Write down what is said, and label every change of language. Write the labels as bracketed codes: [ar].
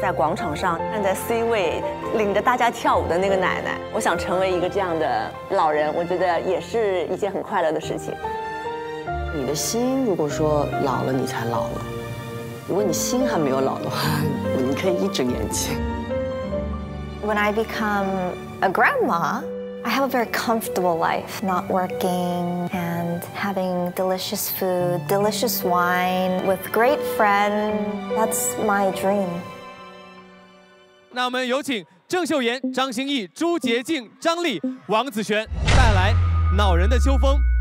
[zh] 在广场上站在 C 位，领着大家跳舞的那个奶奶。我想成为一个这样的老人，我觉得也是一件很快乐的事情。你的心如果说老了，你才老了。如果你心还没有老的话，你可以一直年轻。 [en] When I become a grandma, I have a very comfortable life, not working and having delicious food, delicious wine with great friends. That's my dream. [zh] 那我们有请郑秀妍、张歆艺、朱洁静、张丽、王子璇带来《恼人的秋风》。